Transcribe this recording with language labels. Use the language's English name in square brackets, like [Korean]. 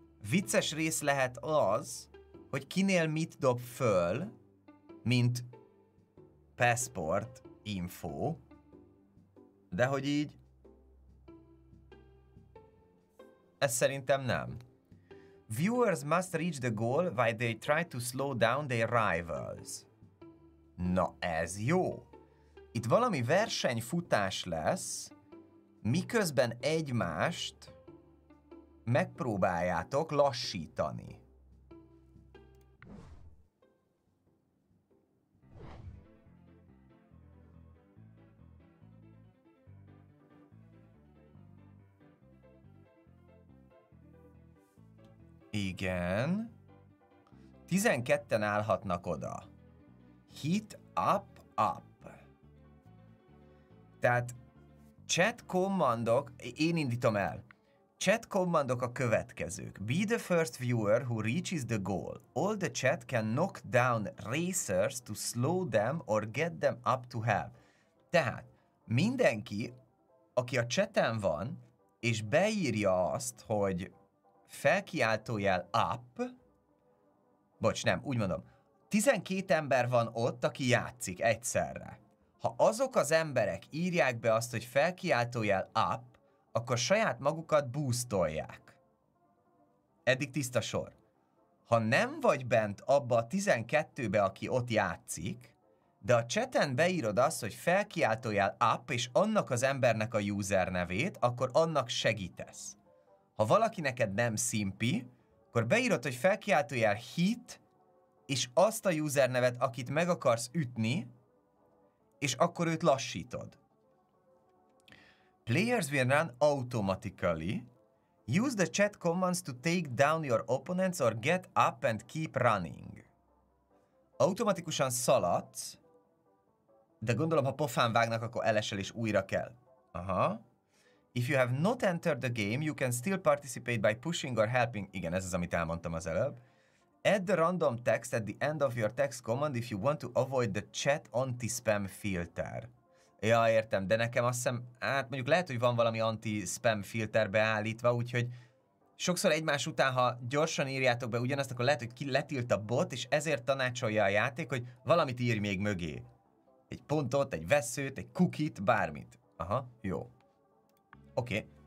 [Hungarian] Vicces rész lehet az, hogy kinél mit dob föl, mint passport info, de hogy így, ez szerintem nem. [English] Viewers must reach the goal while they try to slow down their rivals. [Hungarian] Na ez jó. Itt valami versenyfutás lesz, miközben egymást megpróbáljátok lassítani. Igen. 12-en állhatnak oda. [English] Hit up, up. [Hungarian] Tehát chat commandok, én indítom el. Chat commandok a következők. [English] Be the first viewer who reaches the goal. All the chat can knock down racers to slow them or get them up to help. [Hungarian] Tehát mindenki, aki a chaten van, és beírja azt, hogy felkiáltójel up, bocs, nem, úgy mondom, 12 ember van ott, aki játszik egyszerre. Ha azok az emberek írják be azt, hogy felkiáltójel up, akkor saját magukat boostolják. Eddig tiszta sor. Ha nem vagy bent abba a 12-be, aki ott játszik, De a cseten beírod azt, hogy felkiáltójel up, és annak az embernek a user nevét, akkor annak segítesz. Ha valaki neked nem szimpi, akkor beírod, hogy felkiáltójel hit, és azt a user nevet, akit meg akarsz ütni, és akkor őt lassítod. [English] Players will run automatically. Use the chat commands to take down your opponents or get up and keep running. [Hungarian] Automatikusan szaladsz, de gondolom, ha pofán vágnak, akkor elesel és újra kell. Aha. [English] If you have not entered the game, you can still participate by pushing or helping. [Hungarian] Igen, ez az, amit elmondtam az előbb. [English] Add the random text at the end of your text command if you want to avoid the chat anti-spam filter. [Hungarian] Ja, értem, de nekem azt hiszem, hát mondjuk lehet, hogy van valami anti-spam filter beállítva, úgyhogy sokszor egymás után, ha gyorsan írjátok be ugyanazt, akkor lehet, hogy ki letilt a bot, és ezért tanácsolja a játék, hogy valamit írj még mögé. Egy pontot, egy veszőt, egy cookie-t, bármit. Aha, jó. Oké.